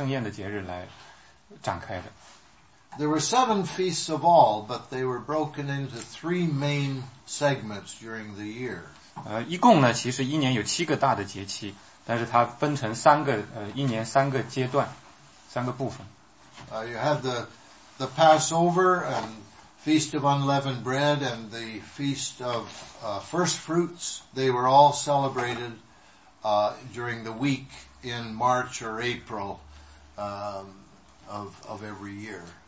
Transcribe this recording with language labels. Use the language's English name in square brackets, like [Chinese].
[Chinese] 所以主要的犹太人的文化呢，都是围绕这三个主要的圣宴节日来展开的。 [English] There were seven feasts of all, but they were broken into three main segments during the year. [Chinese] 一共呢，其实一年有七个大的节期，但是它分成三个，一年三个阶段，三个部分。 [English] You have the Passover and Feast of Unleavened Bread and the Feast of First Fruits. They were all celebrated during the week in March or April of every year.